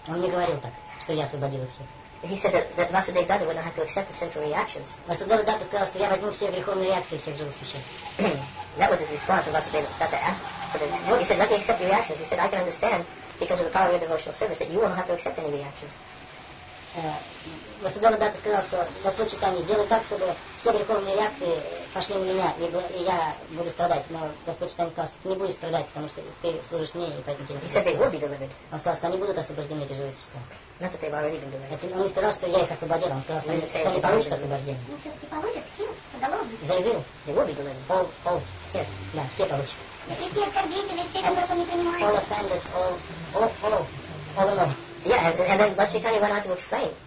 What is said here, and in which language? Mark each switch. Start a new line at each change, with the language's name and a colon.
Russian: Он не говорил так, что я освободил их всех.
English: He said that Vasudeva Datta would not have to accept the sinful reactions.
Russian: Vasudeva Datta сказал, что я возьму все греховные реакции всех живых существ.
English: That was his response when Vasudeva Datta asked for the. He said, "Let me accept the reactions." He said, "I can understand because of the power of your devotional service that you won't have to accept any reactions."
Russian: Васудана Датта сказал, что Господь Чайтанья сделает так, чтобы все греховные реакции пошли на меня, и я буду страдать. Но Господь Чайтанья сказал, что ты не будешь страдать, потому что ты служишь мне, и поэтому тебе...
English: He said they will be delivered.
Russian: Он сказал, что они будут освобождены, эти живые существа.
English: Not that they've already been delivered.
Russian: Он не сказал, что я их освободил, он сказал, что они получат освобождение. Но все-таки получат, все поголовно.
English: They will. They will be delivered. All. Yes.
Russian: Да, все получат. И все оскорбители, все, которых он не принимает.
English: All offenders, all in all. Yeah, and then Lord Chaitanya went on to explain.